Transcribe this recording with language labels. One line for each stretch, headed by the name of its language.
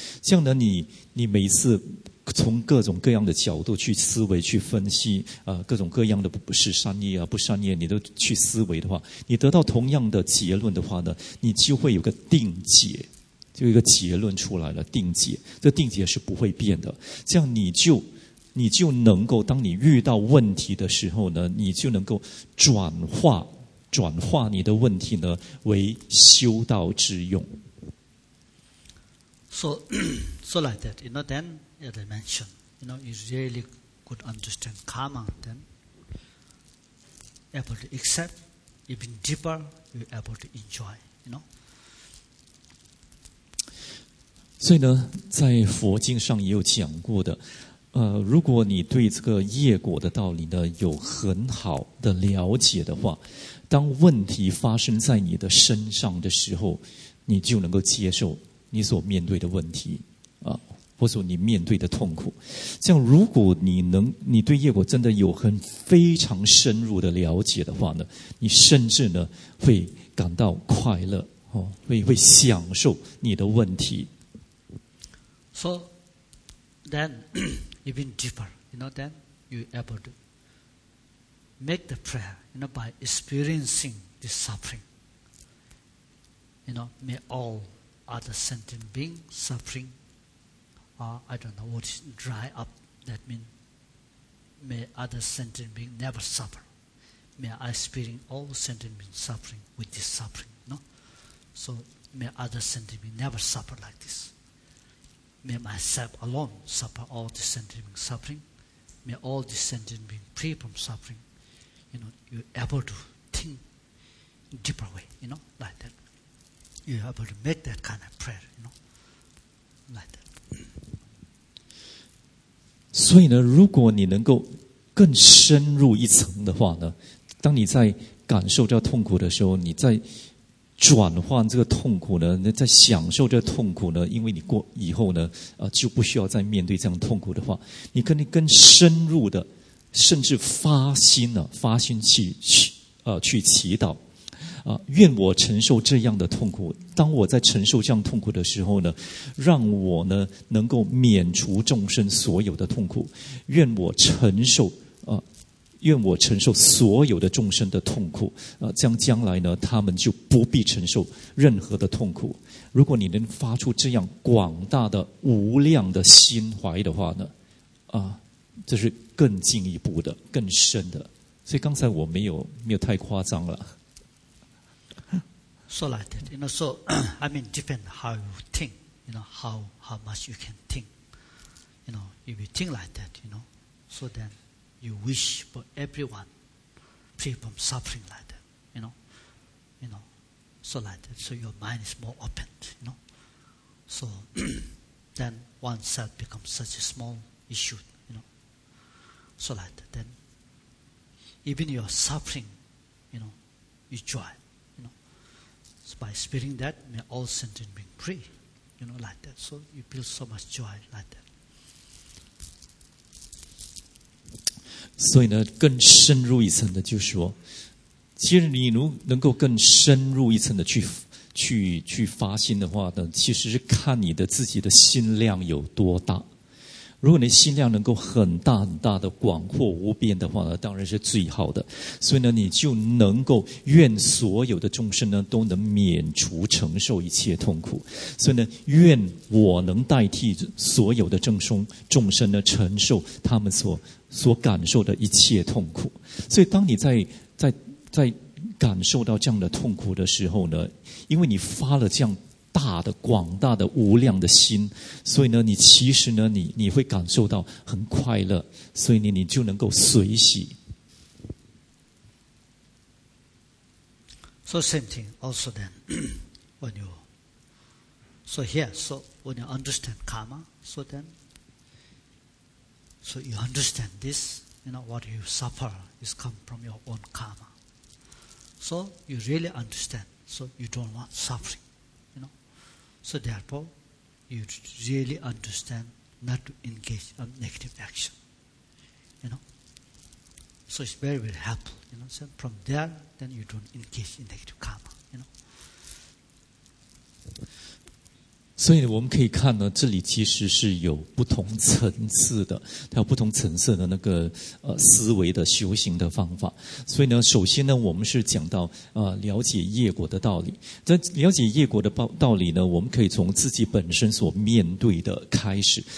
Chinese: 这样呢，你每次从各种各样的角度去思维去分析各种各样的不是善业啊不善业，你都去思维的话，你得到同样的结论的话呢，你就会有个定解，就一个结论出来了，定解，这定解是不会变的。这样你就能够，当你遇到问题的时候呢，你就能够转化你的问题呢为修道之用。
English: So like that, you know, then, as I mentioned, you know, you really could understand karma, then able to accept, even deeper, you're able to enjoy, you know.
Chinese: 所以呢，在佛经上也有讲过的，如果你对这个业果的道理呢，有很好的了解的话，当问题发生在你的身上的时候，你就能够接受你所面对的问题或者说你面对的痛苦。这样如果你对业果真的有很非常深入的了解的话呢，你甚至呢会感到快乐会享受你的问题。
English: So then even deeper, you know, then you're able to make the prayer, you know, by experiencing this suffering, you know, may all other sentient being suffering, I don't know what is dry up. That means may other sentient being never suffer. May I experience all sentient beings suffering with this suffering. No, so may other sentient beings never suffer like this. May myself alone suffer all the sentient beings suffering. May all the sentient beings free from suffering. You know, you able to think deeper way. You know, like that. You able to make that kind of prayer. You know, like that.
Chinese: 所以呢，如果你能够更深入一层的话呢，当你在感受这痛苦的时候，你在转换这个痛苦呢，你在享受这痛苦呢，因为你过以后呢，就不需要再面对这样痛苦的话，你可以更深入的，甚至发心呢，发心去祈祷，愿我承受这样的痛苦。当我在承受这样痛苦的时候呢，让我呢能够免除众生所有的痛苦。愿我承受愿我承受所有的众生的痛苦，将来呢他们就不必承受任何的痛苦。如果你能发出这样广大的无量的心怀的话呢，这是更进一步的更深的。所以刚才我没有太夸张了。
English: So like that, you know, so I mean, depend how you think, you know, how much you can think, you know, if you think like that, you know, so then you wish for everyone free from suffering like that, you know, so like that, so your mind is more open, you know, so then oneself becomes such a small issue, you know, so like that, then even your suffering, you know, you joy. So by speaking that, may all sentient beings free, you know, like that. So you feel so much joy like that.
Chinese: 所以呢，更深入一层的，就是说，其实你能够更深入一层的去发心的话呢，其实是看你的自己的心量有多大。如果你心量能够很大很大的广阔无边的话呢，当然是最好的。所以呢，你就能够愿所有的众生呢都能免除承受一切痛苦。所以呢，愿我能代替所有的众生呢承受他们所感受的一切痛苦。所以当你在感受到这样的痛苦的时候呢，因为你发了这样大的广大的无量的心，所以呢你其实呢你会感受到很快乐，所以呢你就能够随喜。
English: So same thing also then when you so here so when you understand karma so then so you understand this you know what you suffer is come from your own karma so you really understand so you don't want sufferingSo therefore, you really understand not to engage in negative action. You know? So it's very, very helpful. You know? So from there, then you don't engage in negative karma. You know?
Chinese: 所以我们可以看呢，这里其实是有不同层次的，它有不同层次的那个思维的修行的方法。所以呢，首先呢，我们是讲到了解业果的道理。在了解业果的道理呢，我们可以从自己本身所面对的开始。